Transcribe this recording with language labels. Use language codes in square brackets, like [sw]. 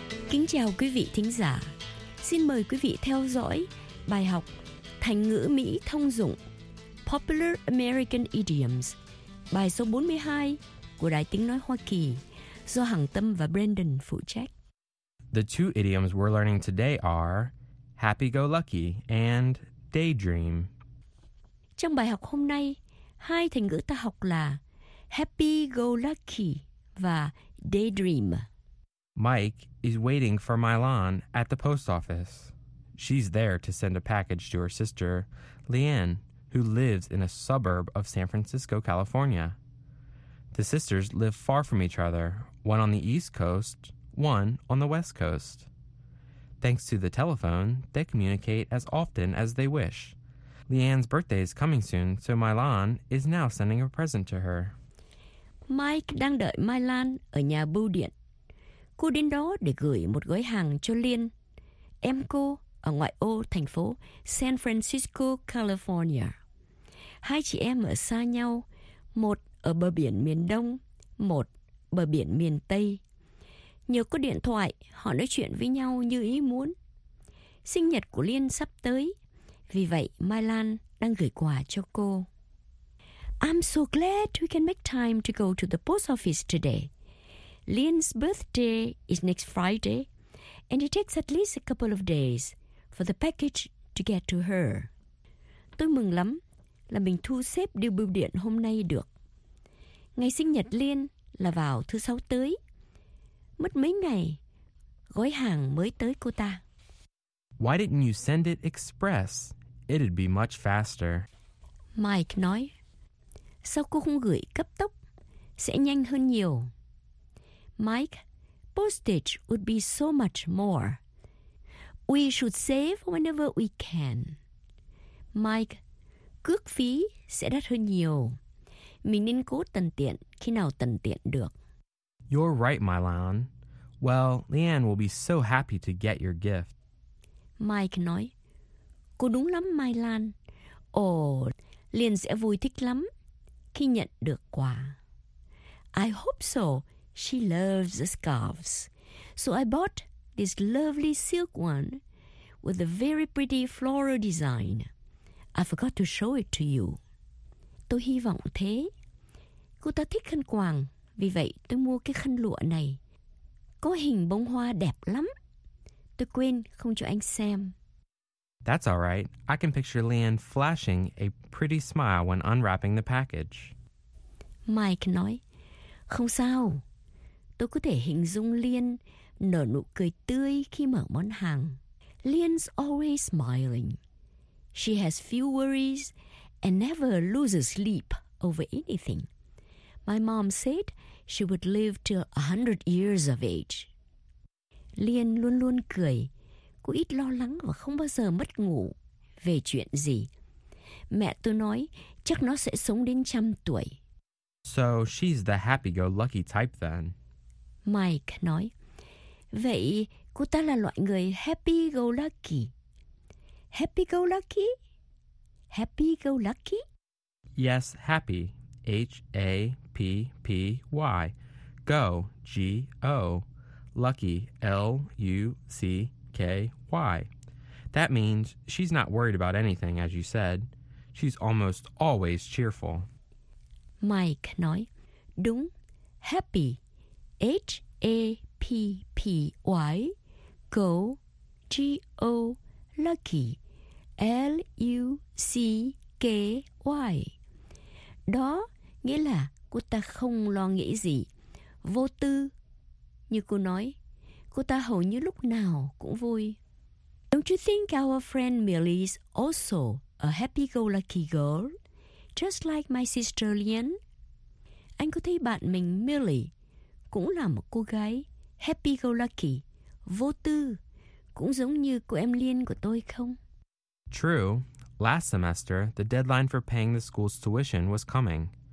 [vi] Kính chào quý vị thính giả. Xin mời quý vị theo dõi bài học Thành ngữ Mỹ thông dụng [en] Popular American Idioms, [vi] bài số 42 của Đài Tiếng Nói Hoa Kỳ, do Hằng Tâm và Brandon phụ trách. [en] The two idioms we're learning today are happy-go-lucky and daydream. [vi] Trong bài học hôm nay, hai thành ngữ ta học là happy-go-lucky và daydream. [en] Mike is waiting for Mylon at the post office. She's there to send a package to her sister, Leanne, who lives in a suburb of San Francisco, California. The sisters live far from each other, one on the East Coast, one on the West Coast. Thanks to the telephone, they communicate as often as they wish. Leanne's birthday is coming soon, so Mylon is now sending a present to her. [vi] Mike đang đợi Mylon ở nhà bưu điện. Cô đến đó để gửi một gói hàng cho Liên, em cô ở ngoại ô thành phố San Francisco, California. Hai chị em ở xa nhau, một ở bờ biển miền Đông, một bờ biển miền Tây. Nhờ có điện thoại, họ nói chuyện với nhau như ý muốn. Sinh nhật của Liên sắp tới, vì vậy Mai Lan đang gửi quà cho cô. [en] I'm so glad we can make time to go to the post office today. Lian's birthday is next Friday, and it takes at least a couple of days for the package to get to her. [vi] Tôi mừng lắm là mình thu xếp điều bưu điện hôm nay được. Ngày sinh nhật Lian là vào thứ sáu tới. Mất mấy ngày, gói hàng mới tới cô ta. [en] Why didn't you send it express? It'd be much faster. [vi] Mike nói, sao cô không gửi cấp tốc? Sẽ nhanh hơn nhiều. [en] Mike, postage would be so much more. We should save whenever we can. [vi] Mike, cước phí sẽ đắt hơn nhiều. Mình nên cố tận tiện khi nào tận tiện được. [en] You're right, Mylon. Well, Leanne will be so happy to get your gift. [vi] Mike nói, cô đúng lắm, Mylon. Ồ, Leanne sẽ vui thích lắm khi nhận được quà. [en] I hope so. She loves the scarves. So I bought this lovely silk one with a very pretty floral design. I forgot to show it to you. [vi] Tôi hy vọng thế. Cô ta thích khăn quàng, vì vậy tôi mua cái khăn lụa này. Có hình bông hoa đẹp lắm. Tôi quên không cho anh xem. [en] That's all right. I can picture Leanne flashing a pretty smile when unwrapping the package. [vi] Mike nói, không sao. Tôi có thể hình dung Liên nở nụ cười tươi khi mở món hàng. [en] Liên's always smiling. She has few worries and never loses sleep over anything. My mom said she would live till 100 years of age. [vi] Liên luôn luôn cười. Cô ít lo lắng và không bao giờ mất ngủ về chuyện gì. Mẹ tôi nói chắc nó sẽ sống đến 100 tuổi. [en] So she's the happy-go-lucky type then. [vi] Mike nói, vậy cô ta là loại người happy-go-lucky. [en] Happy-go-lucky? Happy-go-lucky? Yes, happy. H-A-P-P-Y. Go, G-O. Lucky, L-U-C-K-Y. That means she's not worried about anything, as you said. She's almost always cheerful. [vi] Mike nói, đúng, happy. H-A-P-P-Y, go, G-O, lucky, L-U-C-K-Y. Đó nghĩa là cô ta không lo nghĩ gì, vô tư. Như cô nói, cô ta hầu như lúc nào cũng vui. [en] Don't you think our friend Millie is also a happy-go-lucky girl, just like my sister Lien? [vi] Anh có thấy bạn mình Millie cũng là một cô gái happy-go-lucky, vô tư, cũng giống như cô em Lien của tôi không? [en] True. Last semester, the deadline for paying the school's tuition was coming.